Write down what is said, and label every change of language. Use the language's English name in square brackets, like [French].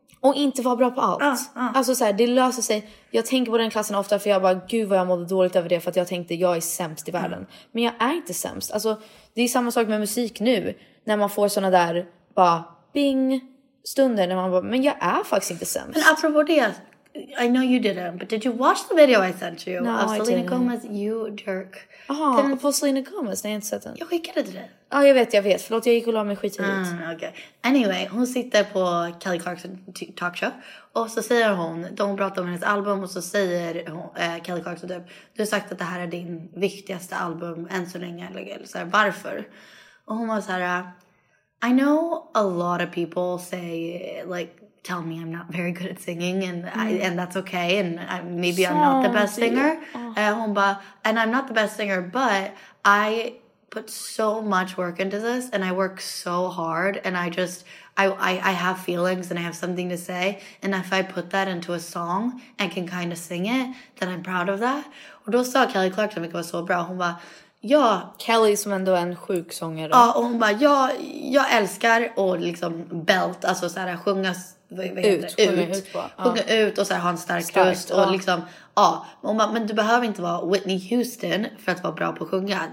[Swedish] Och inte vara bra på allt. Alltså så här, det löser sig. Jag tänker på den klassen ofta för jag bara, gud vad jag mådde dåligt över det, för att jag tänkte, jag är sämst i världen. Men jag är inte sämst. Alltså, det är samma sak med musik nu. När man får såna där, bara, bing, stunder när man bara, men jag är faktiskt inte sämst. Men apropå det, [English] I know you didn't, but did you watch the video I sent you? No, of Selena didn't. Gomez, you jerk. [Swedish] Jaha, på Selena Gomez, nej, jag inte sett den. Jag skickade till den. Ja, ah, jag vet. Förlåt, jag gick och la mig skit i det. Okay. Anyway, hon sitter på Kelly Clarkson talkshow. Och så säger hon, de pratar om hennes album. Och så säger hon, Kelly Clarkson, du har sagt att det här är din viktigaste album än så länge. Eller så här, varför? Och hon var så här, [English] I know a lot of people say, like, tell me I'm not very good at singing and and that's okay and maybe so I'm not the best singer. And I'm not the best singer, but I put so much work into this and I work so hard and I just, I have feelings and I have something to say, and if I put that into a song and can kind of sing it, then I'm proud of that. [Swedish] Och då sa Kelly Clarkson, vilket var så bra, hon bara, ja, Kelly som ändå är en sjuk sångare. Ja, och hon bara, ja, jag älskar och liksom belt, alltså så här sjunga ut och så här, ha en stark röst och liksom, ja, men du behöver inte vara Whitney Houston för att vara bra på att sjunga.